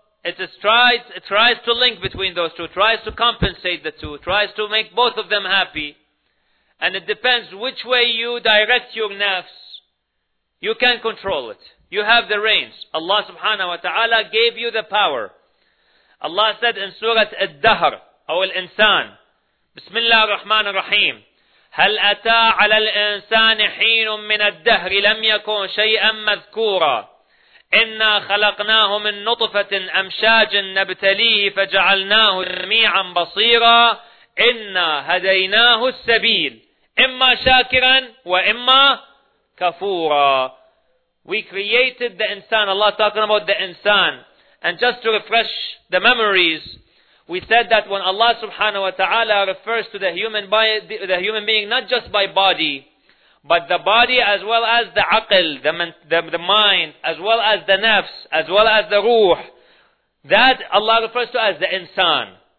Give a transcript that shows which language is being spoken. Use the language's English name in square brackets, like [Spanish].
[English] It tries to link between those two, tries to compensate the two, tries to make both of them happy. And it depends which way you direct your nafs. You can control it. You have the reins. Allah subhanahu wa ta'ala gave you the power. Allah said in Surah Al-Dahr, [Arabic] أو الإنسان, بسم الله الرحمن الرحيم, هل أتى على الإنسان حين من الدهر لم يكن شيئا مذكورا إنا خلقناه من نطفة أمشاج نبتليه فجعلناه سميعا بصيرا إنا هديناه السبيل إما شاكرا وإما كفورا. [English] We created the insan. Allah talking about the insan. And just to refresh the memories, we said that when Allah subhanahu wa ta'ala refers to the human being, not just by body, but the body as well as the aql, the mind, as well as the nafs, as well as the ruh, that Allah refers to as the insan.